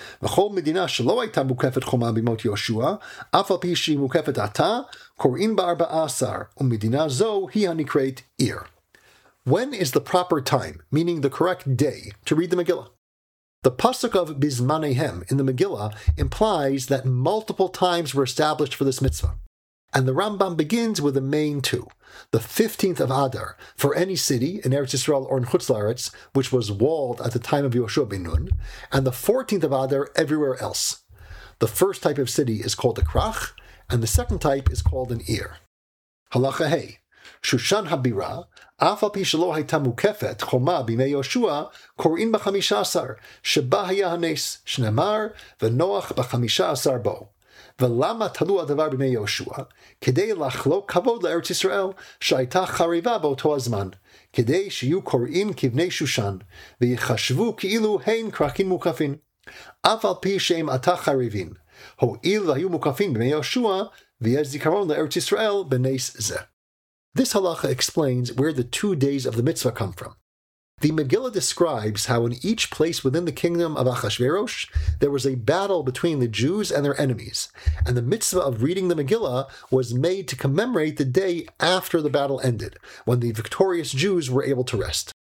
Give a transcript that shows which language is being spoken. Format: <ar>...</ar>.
<he>וכל מדינה שלא הייתה מוקפת חומה במות יהושע, אף על פי שהיא מוקפת עתה, קוראים ב-14, ומדינה זו היא הנקראת עיר.</he> <en>When is the proper time, meaning the correct day, to read the Megillah? The pasuk of Bizmanehem in the Megillah implies that multiple times were established for this mitzvah. And the Rambam begins with the main two, the 15th of Adar, for any city, in Eretz Yisrael or in Chutz La'aretz, which was walled at the time of Yehoshua ben Nun, and the 14th of Adar everywhere else. The first type of city is called a krach, and the second type is called an ir.</en> <he>Halacha hei, Shushan habira, af al pi shelo hayta mukefet, choma bimei Yehoshua, korin b'chamisha asar, sheba haya hanes, shnemar, v'noach b'chamisha asar bo. ולמה תלו הדבר בימי יהושע? כדי לחלוק כבוד לארץ ישראל, שהייתה חריבה באותו הזמן, כדי שיהיו קוראים כבני שושן, ויחשבו כאילו הן כרכים מוקפים. אף על פי שהם עתה חריבים, הועיל והיו מוקפים בימי יהושע, ויש זיכרון לארץ ישראל בנס זה.</he> <en>This halacha explains where the two days of the mitzvah come from. The Megillah describes how in each place within the kingdom of Ahasuerus, there was a battle between the Jews and their enemies, and the mitzvah of reading the Megillah was made to commemorate the day after the battle ended, when the victorious Jews were able to rest.</en>